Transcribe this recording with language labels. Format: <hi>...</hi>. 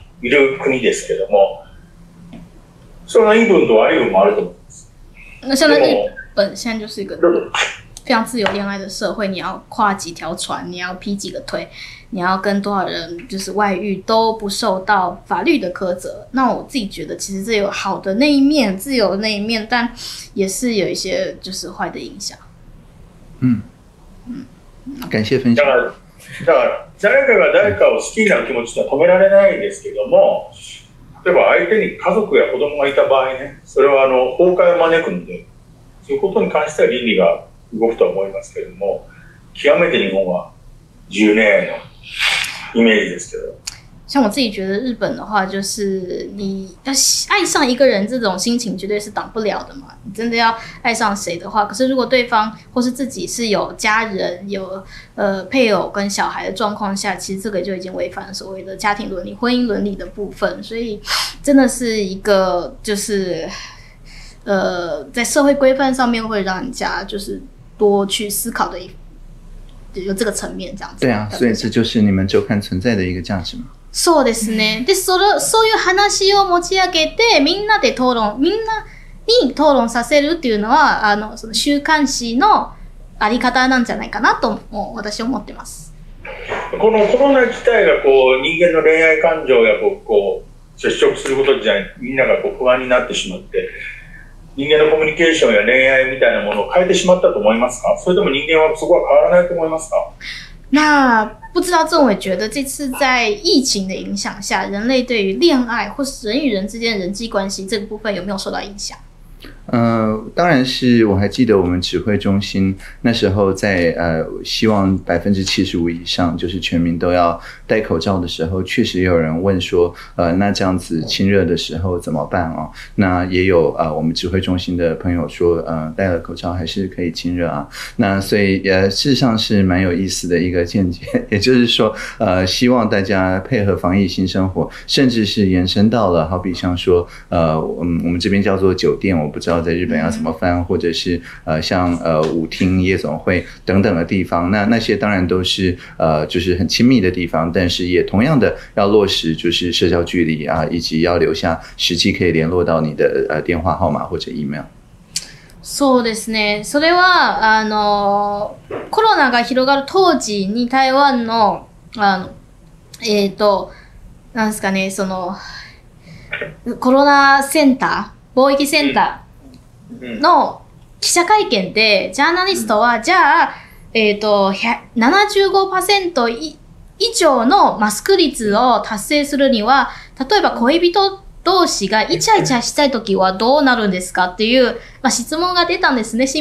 <ja>いる国ですけども、その言い分と悪い分もあると思います。その言い分、</ja> <zh>先就是一个。非常自由恋爱的社会，你要跨几条船，你要劈几个腿，你要跟多少人就是外遇都不受到法律的苛责。那我自己觉得其实这有好的那一面，自由的那一面，但也是有一些就是坏的影响。嗯嗯，感谢分享。</zh> <ja>誰かが誰かを好きになる気持ちは止められないんですけども、例えば相手に家族や子供がいた場合ね、それはあの崩壊を招くので、そういうことに関しては倫理が動くと思いますけれども、極めて日本は自由恋愛のイメージですけど。</ja> <zh>像我自己觉得日本的话，就是你要爱上一个人，这种心情绝对是挡不了的嘛。你真的要爱上谁的话，可是如果对方或是自己是有家人、有配偶跟小孩的状况下，其实这个就已经违反所谓的家庭伦理、婚姻伦理的部分。所以真的是一个就是在社会规范上面会让人家就是多去思考的一有这个层面这样子。对啊，所以这就是你们周刊存在的一个价值嘛。</zh> <ja>そうですね。で、それ、そういう話を持ち上げて、みんなで討論、みんなに討論させるっていうのは、あの、その週刊誌のあり方なんじゃないかなと、もう私は思ってます。このコロナ自体がこう、人間の恋愛感情やこう、接触することじゃない、みんながこう不安になってしまって、人間のコミュニケーションや恋愛みたいなものを変えてしまったと思いますか？それとも人間はそこは変わらないと思いますか？</ja> <zh>那不知道政委觉得这次在疫情的影响下，人类对于恋爱或是人与人之间的人际关系这个部分有没有受到影响？当然是，我还记得我们指挥中心那时候在希望75%以上就是全民都要戴口罩的时候，确实有人问说那这样子亲热的时候怎么办啊？那也有我们指挥中心的朋友说戴了口罩还是可以亲热啊。那所以事实上是蛮有意思的一个见解，也就是说希望大家配合防疫新生活，甚至是延伸到了好比像说我们这边叫做酒店，我不知道在日本要怎么翻，或者是像舞厅、夜总会等等的地方，那些当然都是就是很亲密的地方，但是也同样的要落实就是社交距离啊，以及要留下实际可以联络到你的电话号码或者 email。</zh> <ja>そうですね。それはあのコロナが広がる当時に台湾のあのなんですかね、そのコロナセンター。貿易センターの記者会見でジャーナリストはじゃあ75% 以上のマスク率を達成するには、例えば恋人同士がイチャイチャしたい時はどうなるんですかっていう、まあ、質問が出たんですね。</ja>